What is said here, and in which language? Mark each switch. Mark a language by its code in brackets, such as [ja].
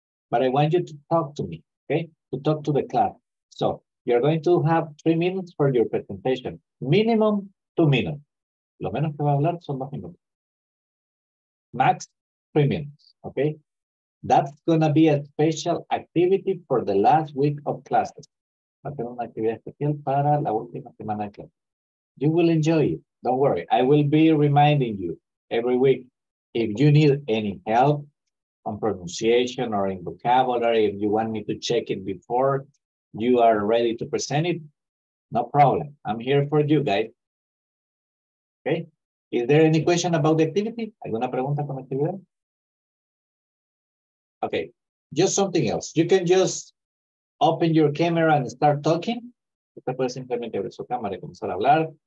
[en] But I want you to talk to me, okay? To talk to the class. So you're going to have 3 minutes for your presentation. Minimum 2 minutes. [es] Lo menos que va a hablar son 2 minutos. [en] Max 3 minutes, okay? That's gonna be a special activity for the last week of classes. [es] Va a tener una actividad especial para la última semana de clases. [en] You will enjoy it. Don't worry. I will be reminding you every week. If you need any help on pronunciation or in vocabulary, if you want me to check it before you are ready to present it, no problem. I'm here for you, guys. Okay? Is there any question about the activity? [es] ¿Alguna pregunta con la actividad? [en] Okay. Just something else. You can just open your camera and start talking. [es] Usted puede simplemente abrir su cámara y comenzar a hablar.